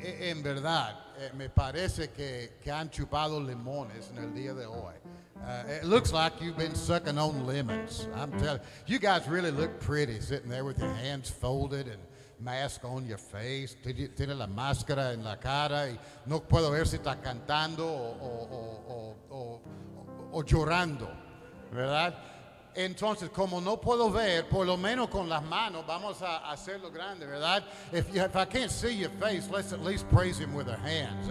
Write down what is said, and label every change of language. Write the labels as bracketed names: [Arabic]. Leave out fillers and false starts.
[Spanish] En verdad, me parece que han chupado limones en el día de hoy. [English] It looks like you've been sucking on lemons. I'm telling you, you guys really look pretty sitting there with your hands folded and mask on your face. [Spanish] Tiene la máscara en la cara y no puedo ver si está cantando o llorando, ¿verdad? Entonces, como no puedo ver, por lo menos con las manos vamos a hacerlo grande, ¿verdad? [English] If I can't see your face, let's at least praise him with our hands.